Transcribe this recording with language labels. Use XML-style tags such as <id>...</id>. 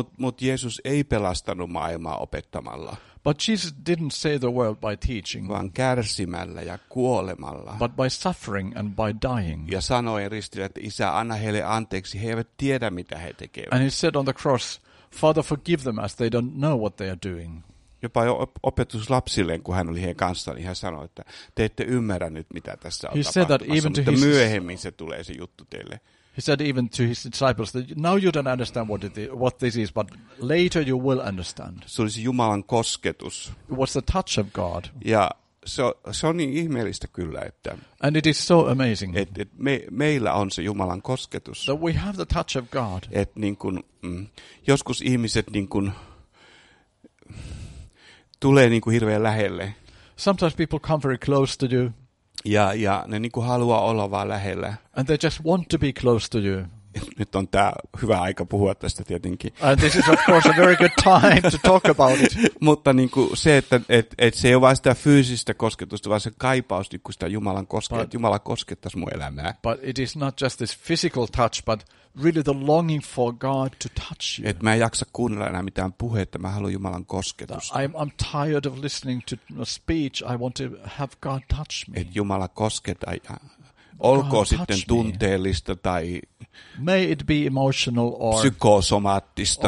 <fi>Mut Jeesus ei pelastanut maailmaa opettamalla.</fi> <en>But Jesus didn't save the world by teaching.</en> <fi>Vaan kärsimällä ja kuolemalla.</fi> <en>But by suffering and by dying.</en> <fi>Ja sanoi ristillä, että isä, anna heille anteeksi, he eivät tiedä mitä he tekevät.</fi> <en>And he said on the cross, Father, forgive them as they don't know what they are doing.</en> <fi>Jopa opetus lapsilleen, kun hän oli heidän kanssaan, niin hän sanoi, että te ette ymmärrä nyt, mitä tässä on tapahtumassa, mutta myöhemmin se tulee se juttu teille.</fi> <en>He said even to his disciples that now you don't understand what this is, but later you will understand.</en> <fi>Se olisi Jumalan kosketus.</fi> <en>It was the touch of God.</en> <fi>Ja se on niin ihmeellistä kyllä, että</fi> <en>and it is so amazing.</en> <fi>Meillä on se Jumalan kosketus.</fi> <en>That we have the touch of God.</en> <fi>Että niin kuin, joskus ihmiset niin kuin tulee niin kuin hirveän lähelle.</fi> <en>Sometimes people come very close to you.</en> <fi>Ja ne niin kuin haluaa olla vaan lähellä.</fi> <en>And they just want to be close to you.</en> <fi>Nyt on tämä hyvä aika puhua tästä tietenkin.</fi> <en>And this is of course a very good time to talk about it.</en> <fi>Mutta niin kuin se, että et se ei ole vain sitä fyysistä kosketusta, vaan se kaipaus niin kuin sitä Jumalan koskettaa, että Jumala koskettaisi mun elämää.</fi> <en>But it is not just this physical touch, but really the longing for God to touch you.</en> <fi>Et mä en jaksa kuunnella enää mitään puhetta, mä haluan Jumalan kosketus.</fi> <en>I'm tired of listening to speech. I want to have God touch me.</en> <fi>Et Jumala kosketa ja olkoon sitten tunteellista tai</fi> <en>may it be emotional or</en> <fi>psykosomaattista</fi>